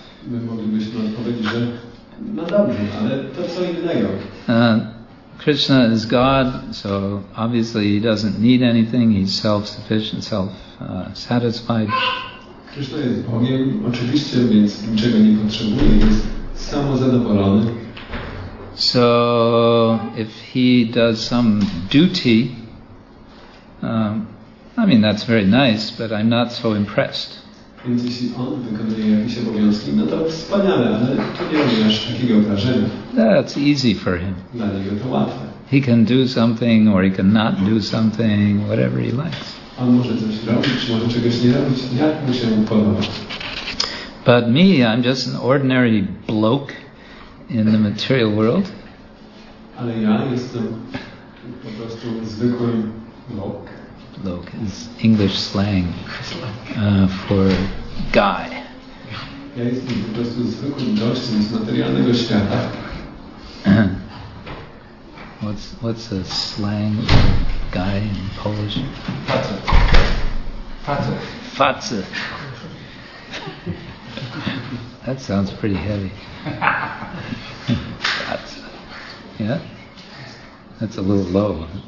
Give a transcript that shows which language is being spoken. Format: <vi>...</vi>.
<pl>My moglibyśmy odpowiedzieć, że no dobrze, ale to co innego.</pl> <en>Krishna is God, so obviously he doesn't need anything. He's self-sufficient, self-satisfied.</en> <pl>Krishna jest Bogiem, oczywiście, więc niczego nie potrzebuje. Jest samozadowolony.</pl> <en>So, if he does some duty, I mean, that's very nice, but I'm not so impressed.</en> <pl>Więc jeśli on wykonuje jakieś obowiązki, no to wspaniale, ale tu nie masz takiego wrażenia.</pl> <en>That's easy for him.</en> <pl>Dla niego to łatwe.</pl> <en>He can do something or he can not do something, whatever he likes.</en> <pl>On może coś robić, może czegoś nie robić, jak mu się podoba.</pl> <en>But me, I'm just an ordinary bloke in the material world.</en> <pl>Ale ja jestem po prostu zwykły bloke.</pl> <en>Bloke is English slang for guy.</en> <pl>Ja jestem po prostu zwykłym gościem z materialnego świata.</pl> <en>What's a slang guy in Polish?</en> <pl>Facet.</pl> <en>That sounds pretty heavy. Yeah? That's a little low.</en>